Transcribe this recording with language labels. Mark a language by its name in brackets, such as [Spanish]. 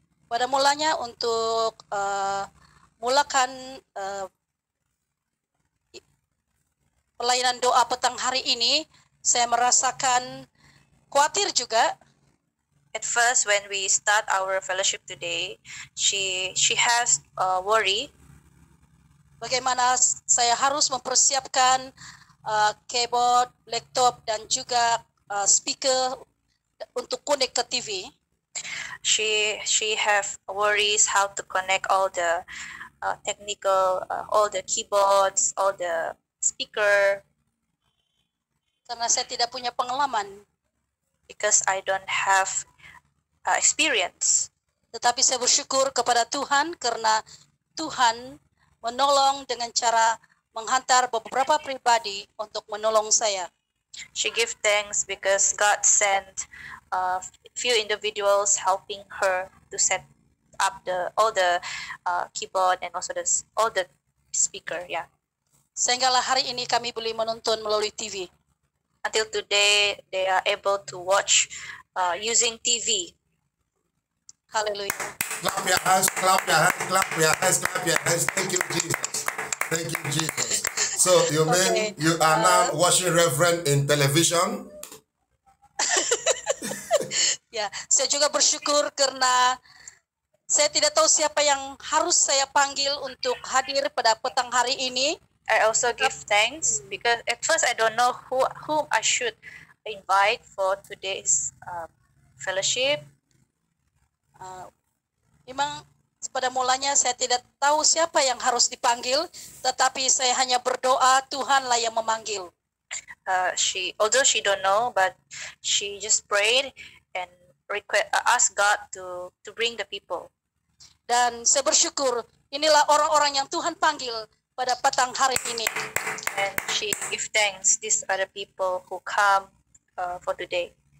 [Malay] Pada mulanya untuk mulakan pelayanan doa petang hari ini, saya merasakan khawatir juga. [English] At first, when we start our fellowship today, she has worry. [Malay] Bagaimana saya harus mempersiapkan keyboard, laptop, dan juga speaker untuk connect ke TV. [English] She have worries how to connect all the technical, all the keyboards, all the speaker. [Malay] Karena saya tidak punya pengalaman. [English] Because I don't have experience. [Malay] Tetapi saya bersyukur kepada Tuhan karena Tuhan menolong dengan cara menghantar beberapa pribadi untuk menolong saya. [English] She give thanks because God sent a few individuals helping her to set up all the keyboard and also all the speaker, yeah. [Malay] Sehinggalah hari ini kami boleh menonton melalui TV. [English] Until today they are able to watch using TV. Hallelujah. Clap your hands, clap your hands, clap your hands, clap your hands. Thank you, Jesus. Thank you, Jesus. So you mean you are now watching Reverend in television? [Malay] Yeah, saya juga bersyukur karena saya tidak tahu siapa yang harus saya panggil untuk hadir pada petang hari ini. [English] I also give thanks because at first I don't know whom I should invite for today's fellowship. [Malay] Memang pada mulanya saya tidak tahu siapa yang harus dipanggil, tetapi saya hanya berdoa Tuhanlah yang memanggil. [English] Although she don't know, but she just prayed and request ask God to bring the people. [Malay] Dan saya bersyukur inilah orang-orang yang Tuhan panggil pada petang hari ini. [English] And she give thanks these are the people who come for today.